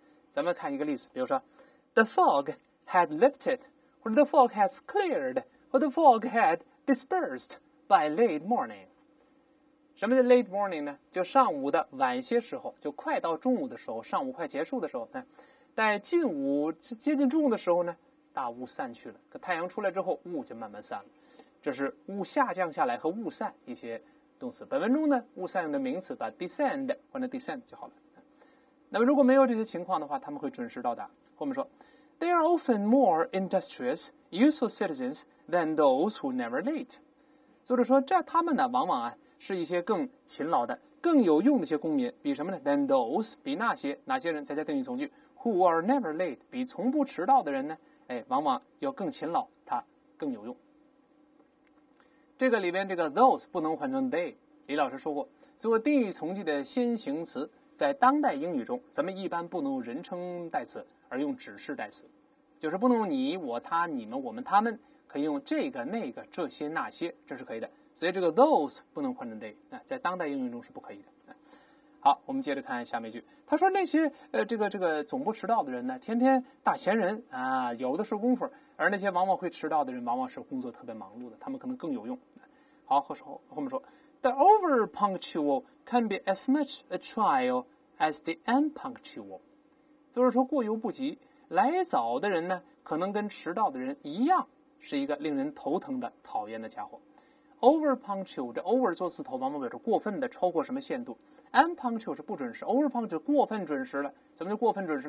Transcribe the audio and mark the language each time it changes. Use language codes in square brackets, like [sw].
[zh] 咱们看一个例子，比如说 [en] the fog had lifted, or the fog has cleared, or the fog had dispersed by late morning。 [zh] 什么叫 late morning 呢？就上午的晚些时候，就快到中午的时候，上午快结束的时候，在近午接近中午的时候呢，大雾散去了，可太阳出来之后，雾就慢慢散了。这是雾下降下来和雾散一些动词。本文中呢，雾散用的名词把 descend 换成 descent 就好了。那么如果没有这些情况的话，他们会准时到达。后面说 [en] ，They are often more industrious, useful citizens than those who never late。 [zh] 作者说，这他们呢，往往啊是一些更勤劳的、更有用的一些公民。比什么呢 ？ [en] Than those， [zh] 比那些哪些人？再加定语从句 ， [en] Who are never late， [zh] 比从不迟到的人呢？哎，往往要更勤劳，他更有用。这个里边这个 those 不能换成 they， 李老师说过做定语从句的先行词，在当代英语中咱们一般不能用人称代词，而用指示代词，就是不能用你我他你们我们他们，可以用这个那个这些那些，这是可以的。所以这个 those 不能换成 they， 在当代英语中是不可以的。好，我们接着看下面一句，他说那些总不迟到的人呢，天天大闲人啊，有的是功夫，而那些往往会迟到的人，往往是工作特别忙碌的，他们可能更有用。好，后面说 [en] The over-punctual can be as much a trial as the unpunctual. [zh] 就是说过犹不及，来早的人呢，可能跟迟到的人一样，是一个令人头疼的讨厌的家伙。 Over-punctual, 这 over 做字头往往表示过分的，超过什么限度。 Unpunctual 是不准时， over-punctual 过分准时了。怎么就过分准时？